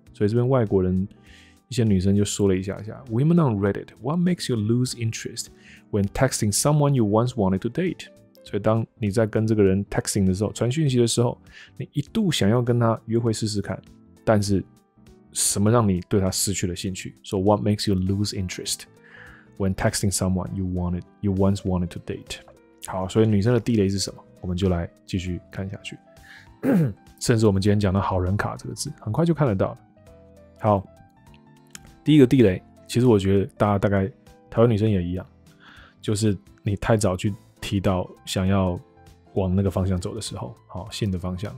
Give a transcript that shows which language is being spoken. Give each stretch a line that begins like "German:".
Chinese: 所以这边外国人一些女生就说了一下下
English: ，Women on Reddit, what makes you lose interest when texting someone you once wanted to date?
Chinese: 所以当你在跟这个人 texting 的时候，传讯息的时候，你一度想要跟他约会试试看，但是什么让你对他失去了兴趣？
English: So what makes you lose interest when texting someone you once wanted to date?
Chinese: 好，所以女生的地雷是什么？我们就来继续看下去。甚至我们今天讲的好人卡这个字很快就看得到了。好，第一个地雷，其实我觉得大家大概台湾女生也一样，就是你太早去提到想要往那个方向走的时候，好，性的方向。